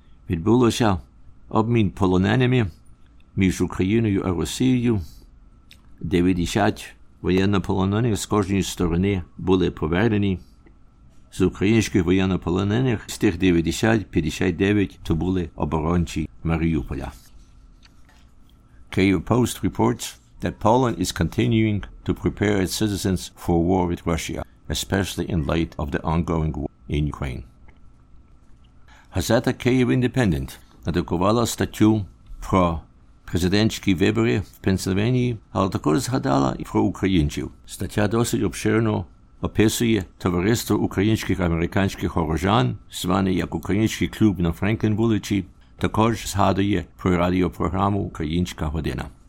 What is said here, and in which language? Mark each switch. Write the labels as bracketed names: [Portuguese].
[Ukrainian] Відбулося обмін полоненими між Україною і Росією. 90 воєннополонених з кожної сторони були повернені. З українських воєннополонених, з тих 90, 59, то були оборонці Маріуполя. [English] Kyiv Post reports that Poland is continuing to prepare its citizens for war with Russia, especially in light of the ongoing war in Ukraine. [Ukrainian] Газета Kyiv Independent надрукувала статтю про президентські вибори в Пенсильванії, але також згадала і про українців. Стаття досить обширно описує товариство українських американських горожан, зване як Український клуб на Франклін вулиці, також згадує про радіопрограму «Українська година».